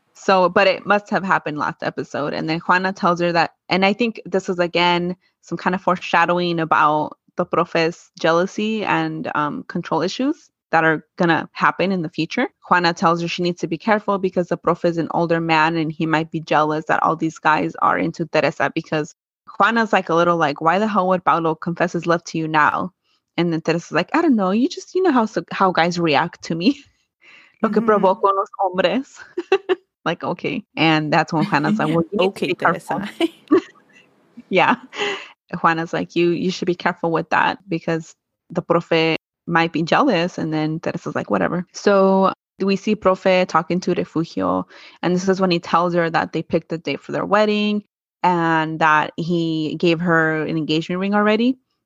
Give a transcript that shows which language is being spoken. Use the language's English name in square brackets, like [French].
[English] So, but it must have happened last episode. And then Juana tells her that, and I think this is, again, some kind of foreshadowing about the Profe's jealousy and control issues that are going to happen in the future. Juana tells her she needs to be careful because the Profe is an older man and he might be jealous that all these guys are into Teresa, because Juana's like a little like, why the hell would Paulo confess his love to you now? And then Teresa's like, I don't know. You just, you know how guys react to me. [Spanish] Lo que provoco los hombres. [English] Like, okay. And that's when Juana's like, well, you okay, Teresa. Yeah. Juana's like, you should be careful with that because the Profe might be jealous. And then Teresa's like, whatever. So we see Profe talking to Refugio. And this is when he tells her that they picked a date for their wedding and that he gave her an engagement ring already.